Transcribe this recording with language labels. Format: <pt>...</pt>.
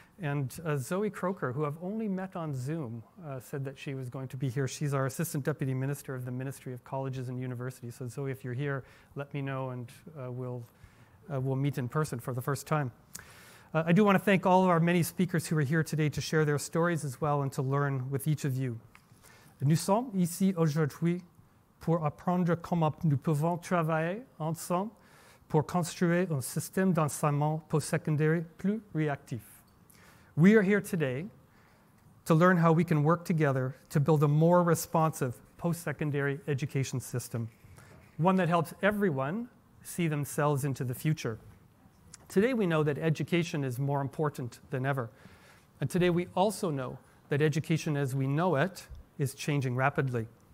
<en>And Zoe Croker, who I've only met on Zoom, said that she was going to be here. She's our Assistant Deputy Minister of the Ministry of Colleges and Universities. So Zoe, if you're here, let me know and we'll meet in person for the first time. I do want to thank all of our many speakers who are here today to share their stories as well and to learn with each of you.</en> <fr>Nous sommes ici aujourd'hui pour apprendre comment nous pouvons travailler ensemble pour construire un système d'enseignement post-secondaire plus réactif.</fr> <en>We are here today to learn how we can work together to build a more responsive post-secondary education system, one that helps everyone see themselves into the future. Today we know that education is more important than ever. And today we also know that education as we know it is changing rapidly.</en>